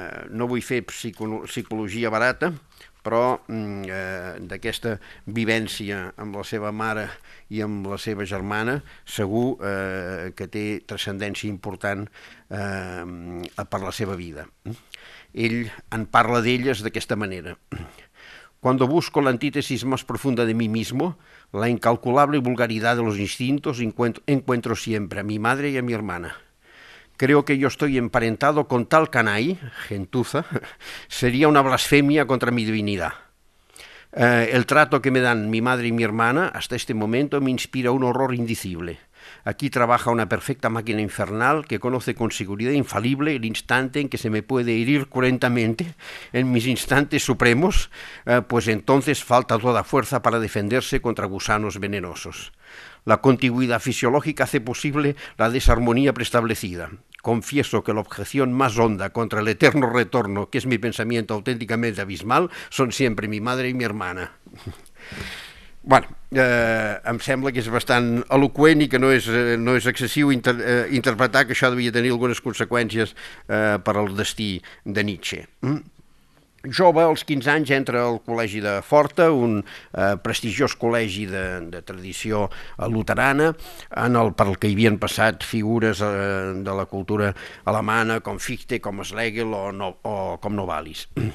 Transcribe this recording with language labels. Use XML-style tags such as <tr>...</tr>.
<ca>No vull fer psicologia barata, però d'aquesta vivència amb la seva mare i amb la seva germana segur que té transcendència important per la seva vida. Ell en parla d'elles d'aquesta manera.</ca> <es>Cuando busco la antítesis más profunda de mí mismo, la incalculable vulgaridad de los instintos, encuentro siempre a mi madre y a mi hermana. Creo que yo estoy emparentado con tal canai, gentuza, sería una blasfemia contra mi divinidad. El trato que me dan mi madre y mi hermana hasta este momento me inspira un horror indicible. Aquí trabaja una perfecta máquina infernal que conoce con seguridad infalible el instante en que se me puede herir cruentamente en mis instantes supremos, pues entonces falta toda fuerza para defenderse contra gusanos venenosos. La contigüidad fisiológica hace posible la desarmonía preestablecida. Confieso que la objeción más honda contra el eterno retorno, que es mi pensamiento auténticamente abismal, son siempre mi madre y mi hermana.</es> <ca>Bueno, em sembla que és bastant eloqüent i que no és excessiu interpretar que això devia tenir algunes conseqüències per al destí de Nietzsche. Jove, als 15 anys, entra al Col·legi de Forta, un prestigiós col·legi de tradició luterana, en el pel que hi havien passat figures de la cultura alemana com Fichte, com Schlegel o com Novalis.</ca>